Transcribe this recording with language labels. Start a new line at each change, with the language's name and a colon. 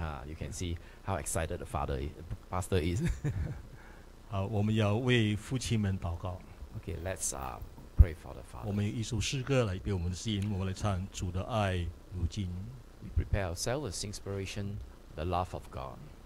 English: You can see how excited the father, pastor is.
Chinese: 好，我们要为父亲们祷告。
English: Okay, let's pray for the father.
Chinese: 我们有一首诗歌来给我们的心，我们来唱《主的爱如今》。
English: We prepare ourselves with inspiration, the love of God.